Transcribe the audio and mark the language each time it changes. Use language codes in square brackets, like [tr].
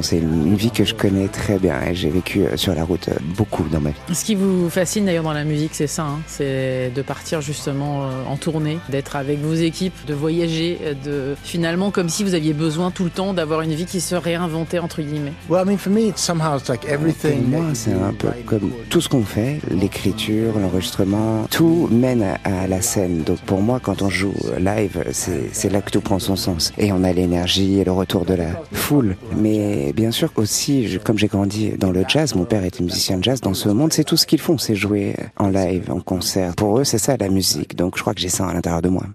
[fr] C'est une vie que je connais très bien. Et j'ai vécu sur la route beaucoup dans ma vie. Ce qui vous fascine d'ailleurs dans la musique, c'est ça, hein, c'est de partir justement en tournée, d'être avec vos équipes, de voyager, de finalement comme si vous aviez besoin tout le temps d'avoir une vie qui se réinventait entre guillemets. [en] Well, I mean, for me, it's somehow it's like everything. [fr] Pour moi, c'est un peu comme tout ce qu'on fait, l'écriture, l'enregistrement, tout mène à la scène. Donc pour moi, quand on joue live, c'est là que tout prend son sens et on a l'énergie et le retour de la foule. Mais bien sûr aussi, comme j'ai grandi dans le jazz, mon père était musicien de jazz, dans ce monde c'est tout ce qu'ils font, c'est jouer en live, en concert, pour eux c'est ça la musique, donc je crois que j'ai ça à l'intérieur de moi.